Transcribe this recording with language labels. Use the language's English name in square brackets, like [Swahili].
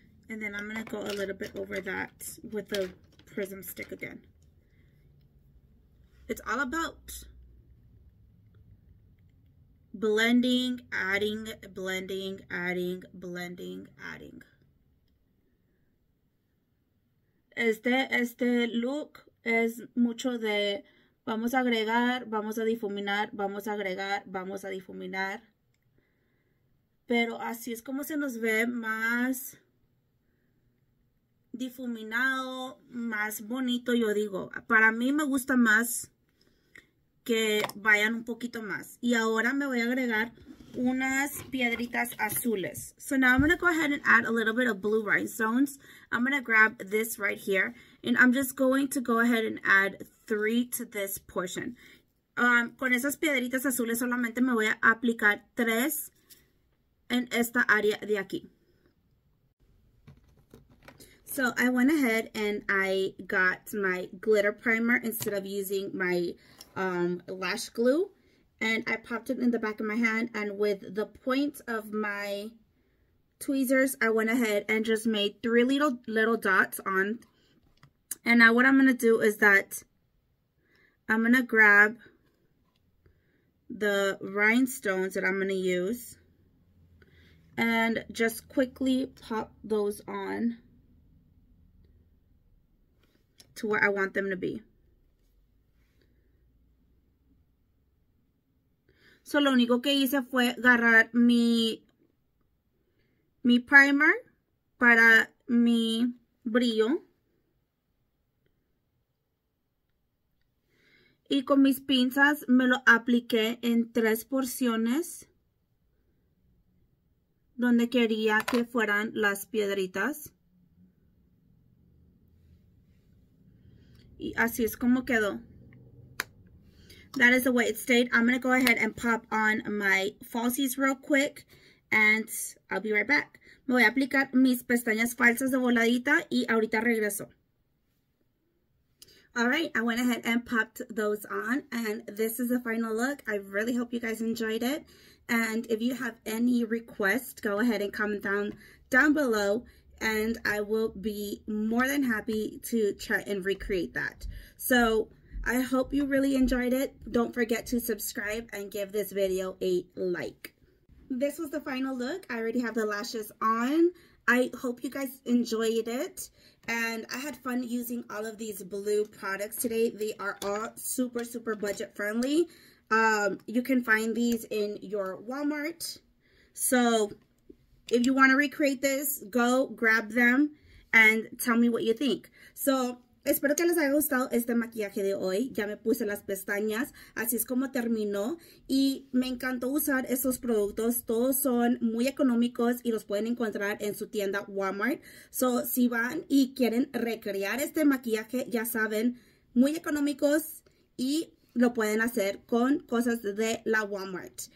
[English] And then I'm going to go a little bit over that with the prism stick again. It's all about blending, adding, blending, adding, blending, adding. [Spanish] Este look es mucho de vamos a agregar, vamos a difuminar, vamos a agregar, vamos a difuminar. Pero así es como se nos ve más difuminado, más bonito, yo digo. Para mí me gusta más que vayan un poquito más. Y ahora me voy a agregar unas piedritas azules. [English] So now I'm going to go ahead and add a little bit of blue rhinestones. I'm going to grab this right here. And I'm just going to go ahead and add 3 to this portion. [Spanish] Con esas piedritas azules solamente me voy a aplicar 3 en esta área de aquí. [English] So I went ahead and I got my glitter primer instead of using my lash glue, and I popped it in the back of my hand, and with the point of my tweezers, I went ahead and just made 3 little dots on. And now what I'm going to do is that I'm going to grab the rhinestones that I'm going to use and just quickly pop those on to where I want them to be. [Spanish] So lo único que hice fue agarrar mi primer para mi brillo. Y con mis pinzas me lo apliqué en 3 porciones donde quería que fueran las piedritas. Y así es como quedó. [English] That is the way it stayed. I'm going to go ahead and pop on my falsies real quick, and I'll be right back. [Spanish] Me voy a aplicar mis pestañas falsas de voladita y ahorita regreso. [English] All right, I went ahead and popped those on, and this is the final look. I really hope you guys enjoyed it. And if you have any requests, go ahead and comment down below, and I will be more than happy to try and recreate that. So I hope you really enjoyed it. Don't forget to subscribe and give this video a like. This was the final look. I already have the lashes on. I hope you guys enjoyed it. And I had fun using all of these blue products today. They are all super, super budget friendly. You can find these in your Walmart. So if you want to recreate this, go grab them and tell me what you think. [Spanish] So espero que les haya gustado este maquillaje de hoy. Ya me puse las pestañas. Así es como terminó. Y me encantó usar estos productos. Todos son muy económicos y los pueden encontrar en su tienda Walmart. So, si van y quieren recrear este maquillaje, ya saben, muy económicos y lo pueden hacer con cosas de la Walmart.